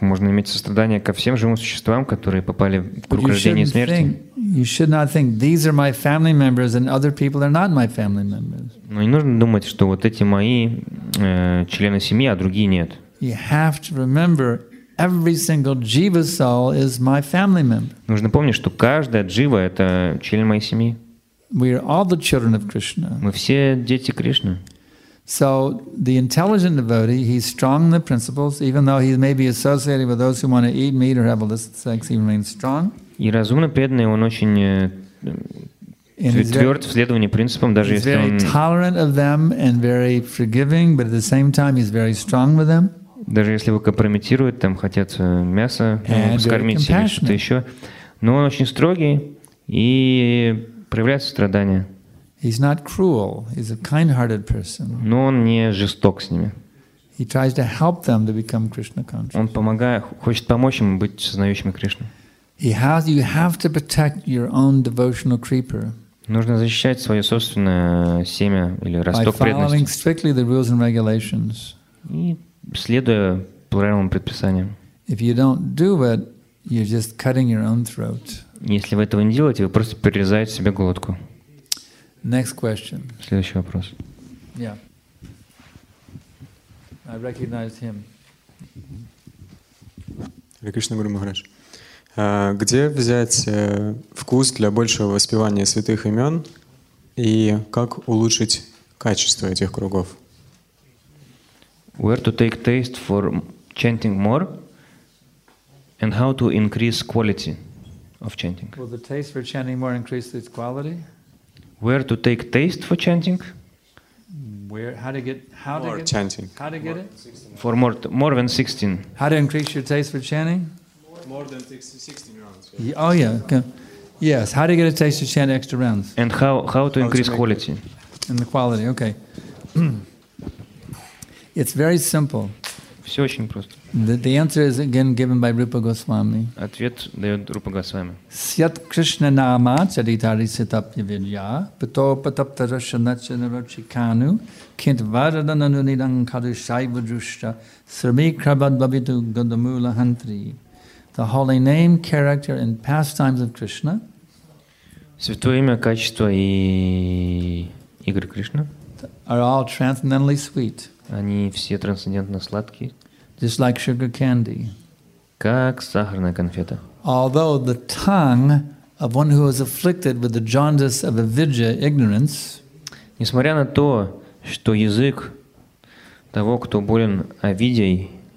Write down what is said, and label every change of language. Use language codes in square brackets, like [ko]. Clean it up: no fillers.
[ru] можно иметь сострадание ко всем живым существам, которые попали в круг рождения и смерти? [en] You should not think these are my family members and other people are not my family members. [ru] Но не нужно думать, что вот эти мои члены семьи, а другие нет. [en] You have to remember every single jiva soul is my family member. [ru] Нужно помнить, что каждая джива это член моей семьи. [en] We are all the children of Krishna. [ru] Мы все дети Кришны. [en] So the intelligent devotee, he's strong in the principles, even though he may be associated with those who want to eat meat or have illicit sex, he remains strong. [ru] И разумно преданный, он очень тверд в следовании принципам, даже если он... [en] He's very tolerant of them and very forgiving, but at the same time he's very strong with them. [ru] Даже если его компрометируют, там хотят мясо, скормить или что-то еще. Но он очень строгий и проявляет сострадание. [en] He's not cruel, he's a kind-hearted person. [ru] Но он не жесток с ними. [en] He tries to help them to become Krishna conscious. [ru] Он помогает, хочет помочь им быть сознающими Кришну. [en] You have to protect your own devotional creeper. [ru] Нужно защищать свое собственное семя или росток преданности. [en] By following strictly the rules and regulations. [ru] И следуя правилам и предписаниям. [en] If you don't do it, you're just cutting your own throat. [ru] Если вы этого не делаете, вы просто перерезаете себе глотку. [en] Next question. [ru] Следующий вопрос. [en] Yeah. I recognize him. Hare Krishna Guru Maharaj. [ru] Где взять вкус для большего воспевания святых имен и как улучшить качество этих кругов? [en] Where to take taste for chanting more and how to increase quality of chanting? Will the taste for chanting more increase its quality? Where to take taste for chanting? Where, how to get, how more to get chanting. How to get more, it? For more than 16. How to increase your taste for chanting? More than 16 rounds. Right? Oh, yeah. Okay. Yes. How do you get a taste to chant extra rounds? And how to increase quality? And the quality, okay. It's very simple. [ru] Все очень просто. [en] The answer is again given by Rupa Goswami. [ru] Ответ дает Рупа Госвами. [sa] Сят Кришна нама чаритари ситапья вирья пито патапта раша нача нарочикану кент варадана нунидан кару шайва джушта срми крабад бабиту гадамула хантри. [en] The holy name, character, and pastimes of Krishna. [ru] Святое имя, качество и игры Кришны. [en] Are all transcendentally sweet. [ru] Они все трансцендентно сладкие. [en] Just like sugar candy. [ru] Как сахарная конфета. [en] Although the tongue of one who is afflicted with the jaundice of avidya, ignorance. [ru] Несмотря на то, что язык того, кто болен авидьей.